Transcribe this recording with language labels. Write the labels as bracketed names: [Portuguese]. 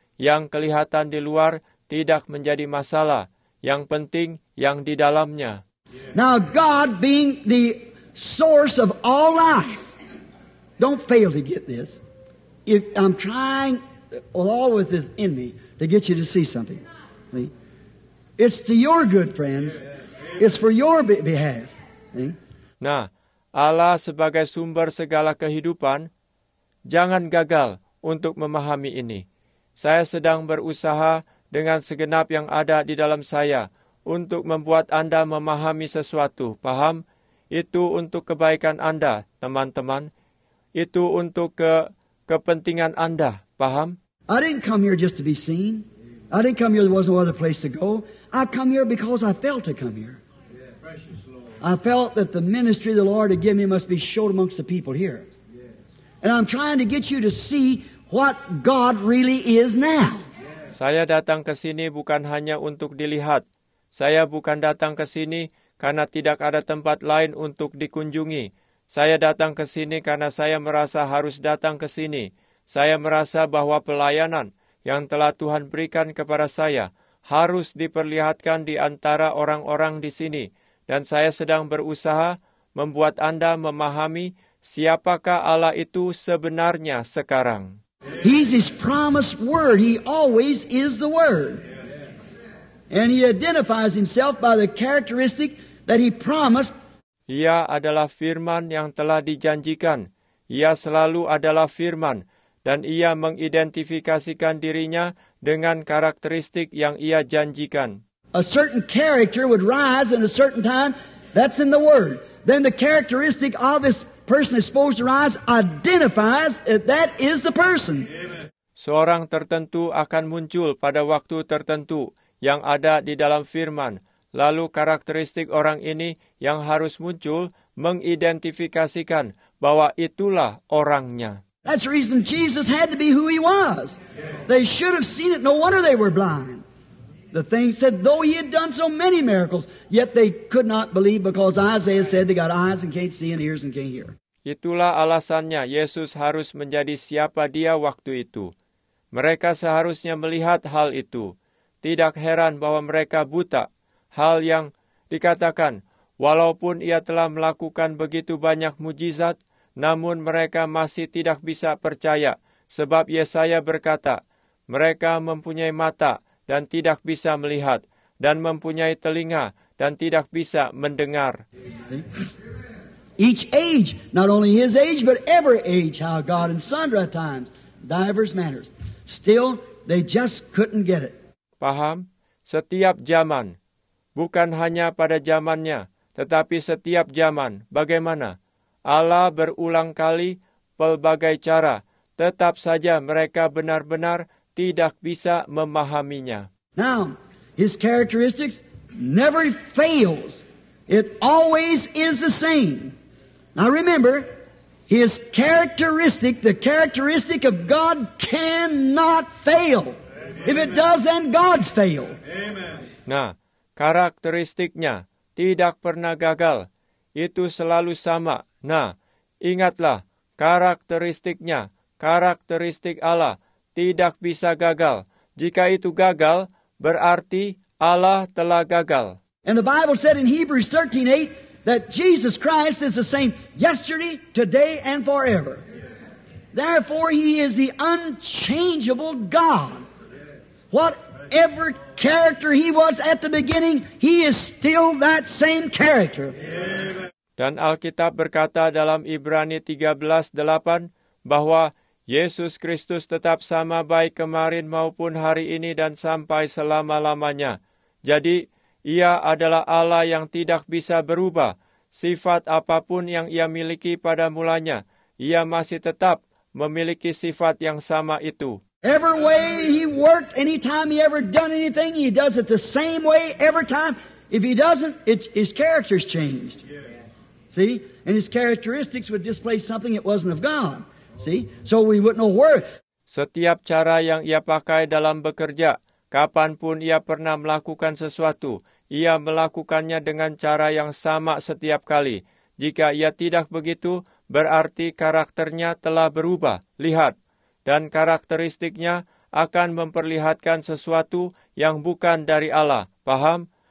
[Indonesian] Yang kelihatan di luar tidak menjadi masalah, yang penting yang di dalamnya. [English] Now God being the source of all life, don't fail to get this. If I'm trying all with this in me to get you to see something, see? It's to your good, friends. It's for your behalf. See? [Indonesian] Nah, Allah sebagai sumber segala kehidupan, jangan gagal untuk memahami ini. Saya sedang berusaha dengan segenap yang ada di dalam saya untuk membuat Anda memahami sesuatu, paham? Itu untuk kebaikan Anda, teman-teman. Itu untuk kepentingan Anda, paham? [English] I didn't come here just to be seen. I didn't come here, there was no other place to go. I come here because I felt to come here. I felt that the ministry the Lord had given me must be showed amongst the people here. And I'm trying to get you to see what God really is now. [Indonesian] Saya datang ke sini bukan hanya untuk dilihat. Saya bukan datang ke sini karena tidak ada tempat lain untuk dikunjungi. Saya datang ke sini karena saya merasa harus datang ke sini. Saya merasa bahwa pelayanan yang telah Tuhan berikan kepada saya harus diperlihatkan di antara orang-orang di sini. Dan saya sedang berusaha membuat Anda memahami siapakah Allah itu sebenarnya sekarang. [English] He's His promised word. He always is the word. And He identifies Himself by the characteristic that He promised. [Indonesian] Ia adalah firman yang telah dijanjikan. Ia selalu adalah firman. Dan ia mengidentifikasikan dirinya dengan karakteristik yang ia janjikan. [English] A certain character would rise in a certain time. That's in the Word. Then the characteristic of this person is supposed to rise identifies that is the person. [Indonesian] Seorang tertentu akan muncul pada waktu tertentu yang ada di dalam firman. Lalu karakteristik orang ini yang harus muncul mengidentifikasikan bahwa itulah orangnya. [English] That's the reason Jesus had to be who He was. They should have seen it. No wonder they were blind. The thing said, though He had done so many miracles, yet they could not believe because Isaiah said they got eyes and can't see and ears and can't hear. [Indonesian] Itulah alasannya Yesus harus menjadi siapa Dia waktu itu. Mereka seharusnya melihat hal itu. Tidak heran bahwa mereka buta. Hal yang dikatakan, walaupun Ia telah melakukan begitu banyak mujizat, namun mereka masih tidak bisa percaya, sebab Yesaya berkata, mereka mempunyai mata dan tidak bisa melihat, dan mempunyai telinga dan tidak bisa mendengar. [English] Each age, not only his age, but every age, how God in sundry times, diverse manners. Still, they just couldn't get it. [Indonesian] Paham? Setiap zaman, bukan hanya pada zamannya, tetapi setiap zaman, bagaimana? Allah berulang kali, pelbagai cara, tetap saja mereka benar-benar tidak bisa memahaminya. [English] Now, his characteristics never fails. It always is the same. Now remember, his characteristic, the characteristic of God cannot fail. Amen. If it does, then God's fail. Amen. [Indonesian] Nah, karakteristiknya tidak pernah gagal. Itu selalu sama. Nah, ingatlah, karakteristiknya, karakteristik Allah tidak bisa gagal. Jika itu gagal, berarti Allah telah gagal. [English] And the Bible said in Hebrews 13:8 that Jesus Christ is the same yesterday, today, and forever. Therefore, He is the unchangeable God. Whatever character He was at the beginning, He is still that same character. [Indonesian] Dan Alkitab berkata dalam Ibrani 13:8 bahwa Yesus Kristus tetap sama baik kemarin maupun hari ini dan sampai selama-lamanya. Jadi, Ia adalah Allah yang tidak bisa berubah. Sifat apapun yang Ia miliki pada mulanya, Ia masih tetap memiliki sifat yang sama itu. [English] Every way He worked, any time He ever done anything, He does it the same way every time. If He doesn't, His character's changed. See? And His characteristics would display something that wasn't of God. See? So we wouldn't know where. [Indonesian] Setiap cara yang Ia pakai dalam bekerja, kapanpun Ia pernah melakukan sesuatu, Ia melakukannya dengan cara yang sama setiap kali. Jika Ia tidak begitu, berarti karakternya telah berubah. Lihat, dan karakteristiknya akan memperlihatkan sesuatu yang bukan dari Allah. Paham?